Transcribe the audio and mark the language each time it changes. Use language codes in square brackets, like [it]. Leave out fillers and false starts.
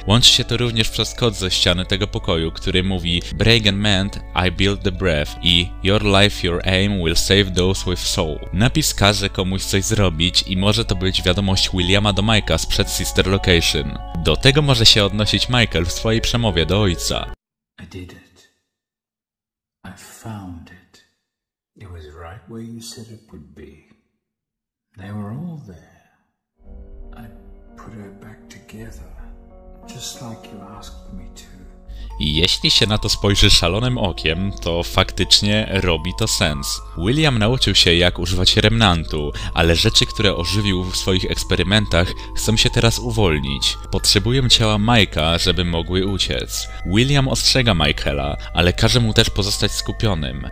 [pl] Łączy się to również przez kod ze ściany tego pokoju, który mówi [en] Break and Mend, I Build the Breath [pl] i [en] Your Life, Your Aim Will Save Those With Soul. [pl] Napis każe komuś coś zrobić i może to być wiadomość Williama do Mike'a sprzed Sister Location. Do tego może się odnosić Michael w swojej przemowie do ojca. [en] I did it. I found it. It was right where you said it would be. They were all there. I put her back together, just like you asked me to. [pl] Jeśli się na to spojrzy szalonym okiem, to faktycznie robi to sens. William nauczył się, jak używać remnantu, ale rzeczy, które ożywił w swoich eksperymentach, chcą się teraz uwolnić. Potrzebują ciała Mike'a, żeby mogły uciec. William ostrzega Michaela, ale każe mu też pozostać skupionym.